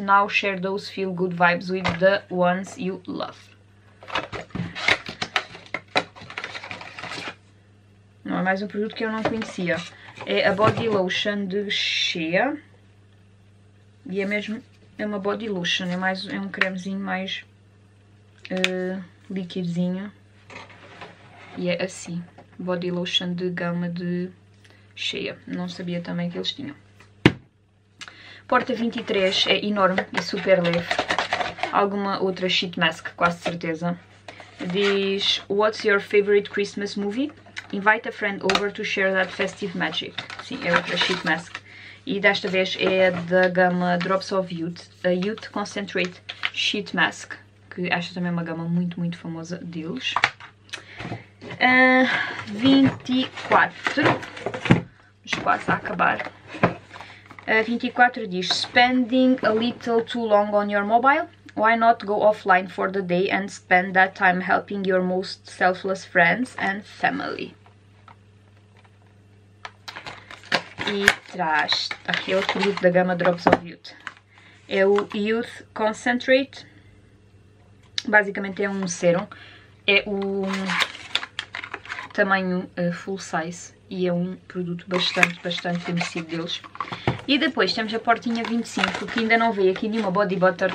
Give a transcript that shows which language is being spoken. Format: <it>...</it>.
<en>Now share those feel good vibes with the ones you love.</en> <pt>Não é mais um produto que eu não conhecia. É a body lotion de Shea. E é mesmo, é uma body lotion, é mais, é um cremezinho mais liquidezinho. E é assim, body lotion de gama de Shea. Não sabia também que eles tinham. Porta 23, é enorme e super leve. Alguma outra sheet mask, quase certeza. Diz:</pt> <en>What's your favorite Christmas movie? Invite a friend over to share that festive magic.</en> <pt>Sim, é outra sheet mask. E desta vez é da gama Drops of Youth, a Youth Concentrate Sheet Mask, que acho também uma gama muito, muito famosa deles. 24. Mas quase a acabar.</pt> <en>24</en> <pt>diz:</pt> <en>Spending a little too long on your mobile? Why not go offline for the day and spend that time helping your most selfless friends and family?</en> <pt>E traz aquele produto da gama Drops of Youth. É o Youth Concentrate. Basicamente é um serum. É um tamanho full size. E é um produto bastante, bastante conhecido deles. E depois temos a portinha 25, que ainda não veio aqui nenhuma body butter.</pt>